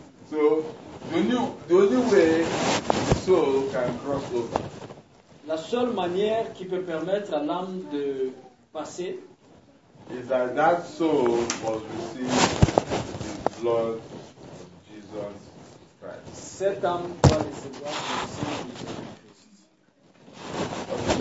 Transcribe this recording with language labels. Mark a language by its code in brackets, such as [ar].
[en] So, the only way the soul can cross over. [fr] La seule manière qui peut permettre à l'âme de passer [en] is that soul was received the blood of Jesus Christ. [fr] Cette âme doit recevoir le sang de Jésus Christ.